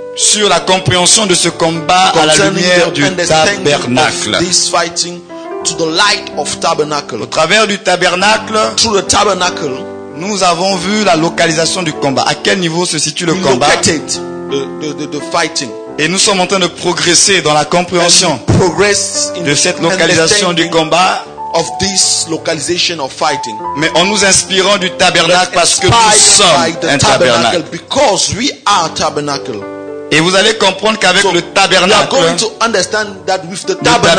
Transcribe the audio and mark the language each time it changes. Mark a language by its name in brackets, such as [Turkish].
[French] sur la compréhension de ce combat à la lumière du tabernacle. [English] This fighting to the light of tabernacle. [French] Au travers du tabernacle, [English] through the tabernacle, [French] nous avons vu la localisation du combat. À quel niveau se situe le combat? [English] Located the fighting. [French] Et nous sommes en train de progresser dans la compréhension de cette localisation du combat. [English] Of this localization of fighting. [French] Mais en nous inspirant du tabernacle parce que nous sommes un tabernacle. [English] Because we are tabernacle. [French] Et vous allez comprendre qu'avec [English] so [French] le tabernacle, [English] you are going to understand that with the tabernacle,